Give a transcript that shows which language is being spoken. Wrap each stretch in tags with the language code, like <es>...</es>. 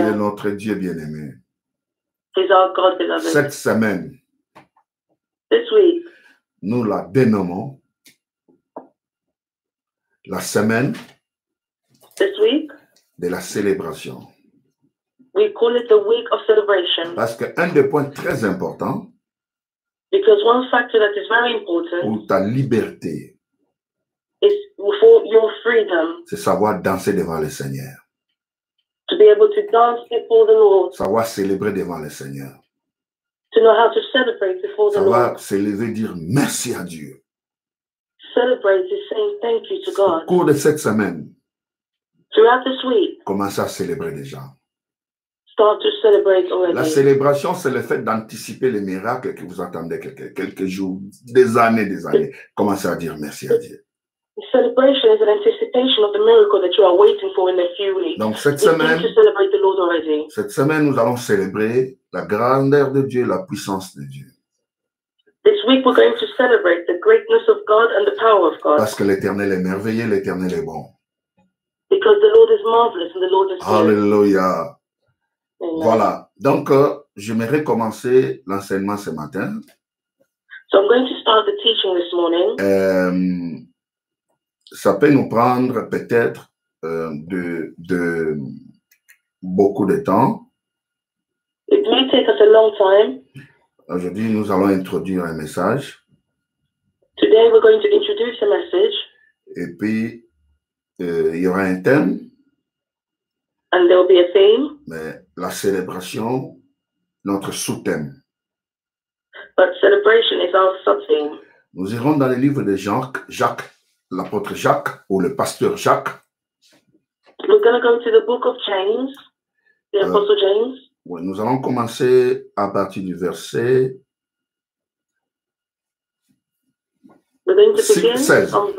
<fr>Il est notre Dieu bien-aimé.</fr> <en>Is our God,</en> <fr>cette semaine,</fr> <en>this week,</en> <fr>nous la dénommons la semaine</fr> <en>this week,</en> <fr>de la célébration.</fr> <en>We call it the week of celebration.</en> <fr>Parce qu'un des points très importants,</fr> <en>because one factor that is very important,</en> <fr>pour ta liberté,</fr> <en>is for your freedom,</en> <fr>c'est savoir danser devant le Seigneur.</fr> <en>To be able to dance before the Lord.</en> <fr>Savoir célébrer devant le Seigneur.</fr> <en>To know how to celebrate before the</en> <fr>savoir</fr> <en>Lord.</en> <fr>Savoir célébrer, dire merci à Dieu.</fr> <en>Celebrate is saying thank you to God.</en> <fr>Au cours de cette semaine.</fr> <en>Throughout this week.</en> <fr>Commencez à célébrer déjà.</fr> <en>Start to celebrate already.</en> <fr>La célébration, c'est le fait d'anticiper les miracles que vous attendez quelques jours, des années. Commencez à dire merci à Dieu.</fr> <en>Celebration is an anticipation of the miracle that you are waiting for in a few weeks.</en> <fr>Donc cette semaine,</fr> <en>to celebrate the Lord already.</en> <fr>Cette semaine, nous allons célébrer la grandeur de Dieu, la puissance de Dieu.</fr> <en>This week we're going to celebrate the greatness of God and the power of God.</en> <fr>Parce que l'Éternel est merveilleux, l'Éternel est bon.</fr> <en>Because the Lord is marvelous and the Lord is good.</en> <fr>Hallelujah. Voilà. Donc, j'aimerais commencer l'enseignement ce matin.</fr> <en>So I'm going to start the teaching this morning.</en> <fr>Ça peut nous prendre peut-être de beaucoup de temps.</fr> <en>It may take us a long time.</en> <fr>Aujourd'hui, nous allons introduire un message.</fr> <en>Today, we're going to introduce a message.</en> <fr>Et puis, il y aura un thème.</fr> <en>And there will be a theme.</en> <fr>Mais la célébration, notre sous-thème.</fr> <en>But celebration is our sous-thème.</en> <fr>Nous irons dans les livres de Jacques. L'apôtre Jacques ou le pasteur Jacques.</fr> <en>We're going to go to the book of James, the apostle James.</en> <fr>Oui, nous allons commencer à partir du verset 16.</fr>